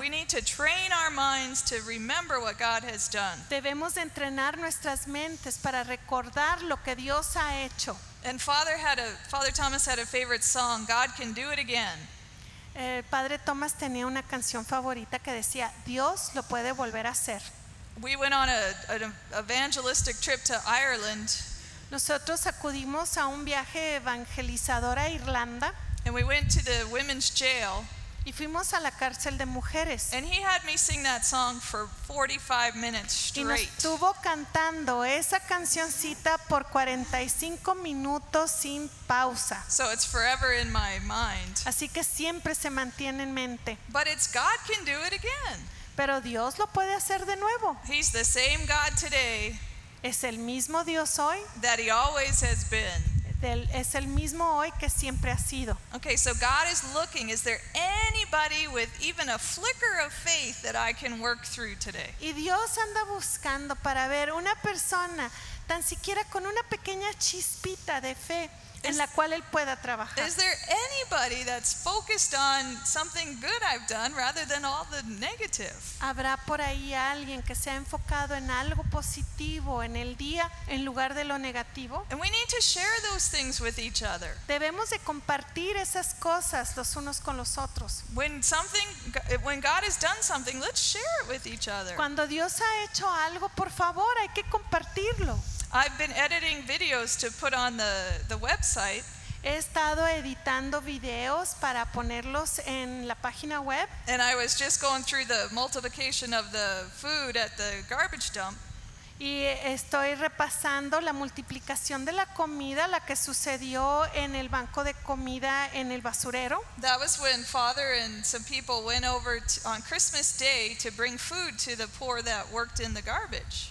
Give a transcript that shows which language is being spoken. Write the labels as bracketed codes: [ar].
[en] We need to train our minds to remember what God has done. [es] Debemos entrenar nuestras mentes para recordar lo que Dios ha hecho. [en] And Father Thomas had a favorite song, God Can Do It Again. [es] El Padre Thomas tenía una canción favorita que decía, Dios lo puede volver a hacer. [en] We went on an evangelistic trip to Ireland. [es] Nosotros acudimos a un viaje evangelizador a Irlanda. [en] And we went to the women's jail. [es] Y fuimos a la cárcel de mujeres. [en] And he had me sing that song for 45 minutes straight. [es] Y nos tuvo cantando esa cancioncita por 45 minutos sin pausa. [en] So it's forever in my mind. [es] Así que siempre se mantiene en mente. [en] But it's God can do it again. [es] Pero Dios lo puede hacer de nuevo. [en] He's the same God today. [es] Es el mismo Dios hoy. [en] That he always has been. [es] Es el mismo hoy que siempre ha sido. [en] Okay, so God is looking. Is there anybody with even a flicker of faith that I can work through today? [es] Y Dios anda buscando para ver una persona tan siquiera con una pequeña chispita de fe en la cual él pueda trabajar. [en] Is there anybody that's focused on something good I've done rather than all the negative? [es] ¿Habrá por ahí alguien que se ha enfocado en algo positivo en el día en lugar de lo negativo? [en] And we need to share those things with each other. [es] Debemos de compartir esas cosas los unos con los otros. [en] When God has done something, let's share it with each other. [es] Cuando Dios ha hecho algo, por favor, hay que compartirlo. [en] I've been editing videos to put on the website. [es] He estado editando videos para ponerlos en la página web. [en] And I was just going through the multiplication of the food at the garbage dump. [es] Y estoy repasando la multiplicación de la comida, la que sucedió en el banco de comida en el basurero. [en] That was when Father and some people went over on Christmas Day to bring food to the poor that worked in the garbage.